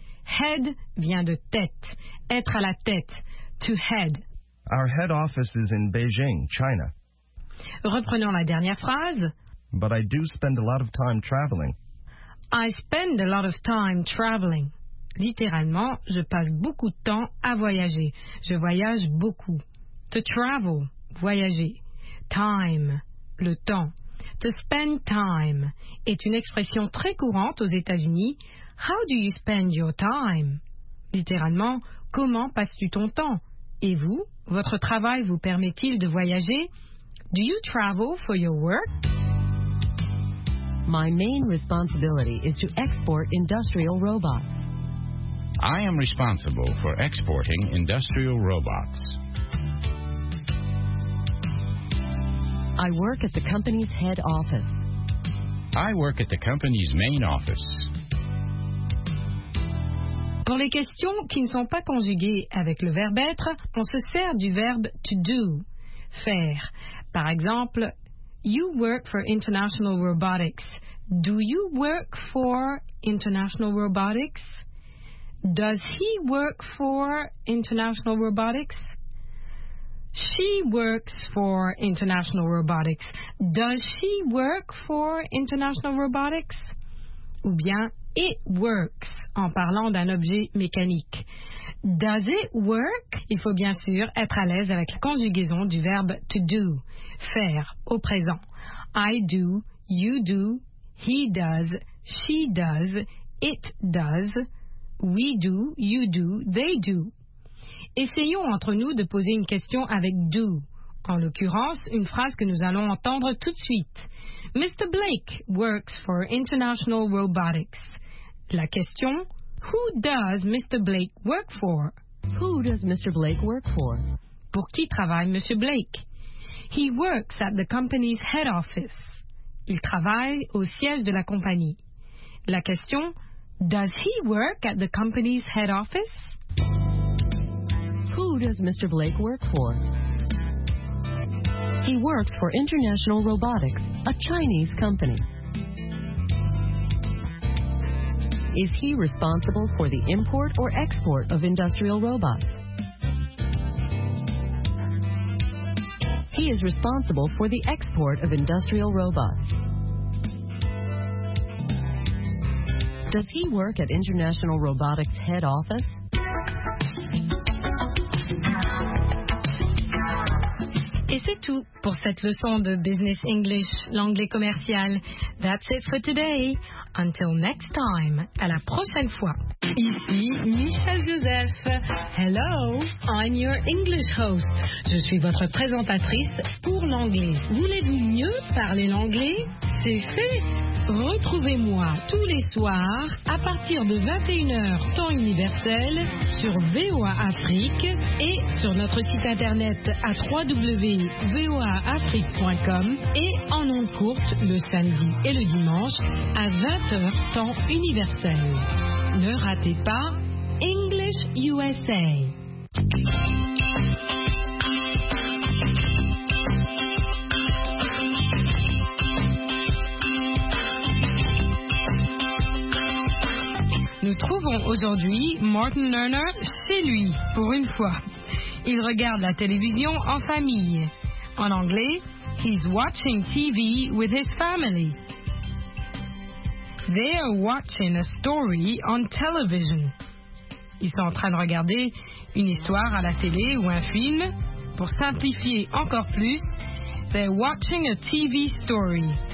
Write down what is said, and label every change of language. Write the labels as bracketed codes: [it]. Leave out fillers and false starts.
[fr] Head vient de tête, être à la tête, [en] to head. Our head office is in Beijing, China. [fr] Reprenons la dernière phrase. [en] But I do spend a lot of time traveling. I spend a lot of time traveling. [fr] Littéralement, je passe beaucoup de temps à voyager. Je voyage beaucoup. [en] To travel, voyager. Time, le temps. To spend time [fr] est une expression très courante aux États-Unis. [en] How do you spend your time? [fr] Littéralement, comment passes-tu ton temps? Et vous, votre travail vous permet-il de voyager? [en] Do you travel for your work? My main responsibility is to export industrial robots. I am responsible for exporting industrial robots. I work at the company's head office. I work at the company's main office. [fr] Pour les questions qui ne sont pas conjuguées avec le verbe être, on se sert du verbe to do, faire. Par exemple, [en] You work for International Robotics. Do you work for International Robotics? Does he work for International Robotics? She works for International Robotics. Does she work for International Robotics? [fr] Ou bien, [en] it works, [fr] en parlant d'un objet mécanique. [en] Does it work? [fr] Il faut bien sûr être à l'aise avec la conjugaison du verbe to do, faire, au présent. [en] I do, you do, he does, she does, it does, we do, you do, they do. [fr] Essayons entre nous de poser une question avec « do », en l'occurrence, une phrase que nous allons entendre tout de suite. [en] « Mr. Blake works for International Robotics ». [fr] La question [en] « Who does Mr. Blake work for ?»« Who does Mr. Blake work for ?» [fr] Pour qui travaille Mr. Blake ?« [en] He works at the company's head office ». [fr] Il travaille au siège de la compagnie. La question [en] « Does he work at the company's head office ?» Who does Mr. Blake work for? He works for International Robotics, a Chinese company. Is he responsible for the import or export of industrial robots? He is responsible for the export of industrial robots. Does he work at International Robotics head office? [fr] Et c'est tout pour cette leçon de Business English, l'anglais commercial. [en] That's it for today. Until next time. [fr] À la prochaine fois. Ici Michel Joseph. [en] Hello, I'm your English host. [fr] Je suis votre présentatrice pour l'anglais. Voulez-vous mieux parler l'anglais? C'est fait. Retrouvez-moi tous les soirs à partir de 21h temps universel sur VOA Afrique et sur notre site internet à www.voaafrique.com et en onde courte le samedi et le dimanche à 20h temps universel. Ne ratez pas English USA. Nous trouvons aujourd'hui Martin Lerner chez lui, pour une fois. Il regarde la télévision en famille. En anglais, [en] he's watching TV with his family. They are watching a story on television. [fr] Ils sont en train de regarder une histoire à la télé ou un film. Pour simplifier encore plus, [en] they're watching a TV story.